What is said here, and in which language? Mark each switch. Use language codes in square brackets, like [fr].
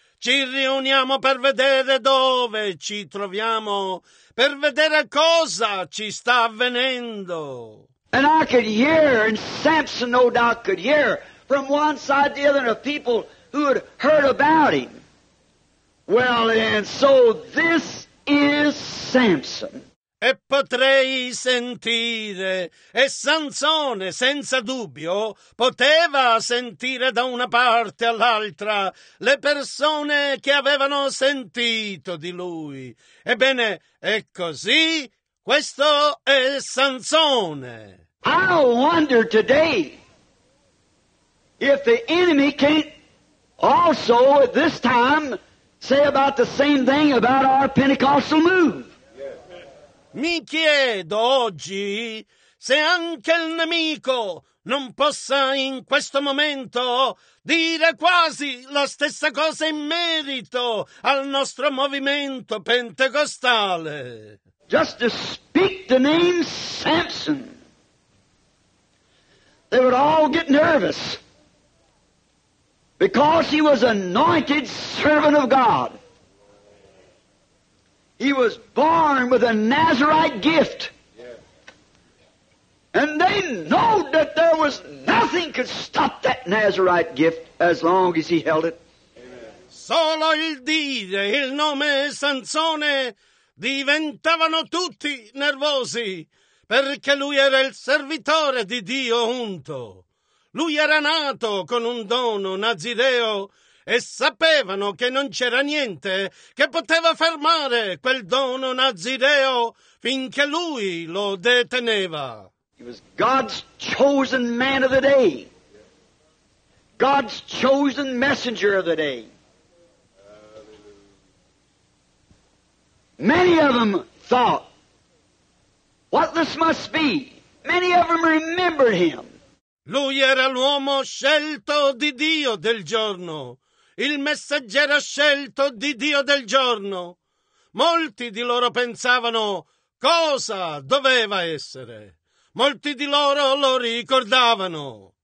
[it] Ci riuniamo per vedere dove ci troviamo, per vedere cosa ci sta avvenendo. [en] And I could hear, and Samson no doubt could hear, from one side to the other of people who had heard about him. Well, and so this is Samson. [it] E potrei sentire, e Sansone, senza dubbio, poteva sentire da una parte all'altra le persone che avevano sentito di lui. Ebbene, è così, questo è Sansone. [en] I wonder today if the enemy can also at this time say about the same thing about our Pentecostal move. [it] Mi chiedo oggi se anche il nemico non possa in questo momento dire quasi la stessa cosa in merito al nostro movimento pentecostale. [en] Just to speak the name Samson, they would all get nervous because he was anointed servant of God. He was born with a Nazarite gift. Yes. And they know that there was nothing could stop that Nazarite gift as long as he held it. [it] Solo il Dio e il nome Sansone diventavano tutti nervosi, perché lui era il servitore di Dio unto. Lui era nato con un dono nazireo e sapevano che non c'era niente che poteva fermare quel dono nazireo finché lui lo deteneva. [en] He was God's chosen man of the day. God's chosen messenger of the day. Many of them thought, what this must be. Many of them remember him. [it] Lui era l'uomo scelto di Dio del giorno, il messaggero scelto di Dio del giorno. Molti di loro pensavano cosa doveva essere. Molti di loro lo ricordavano.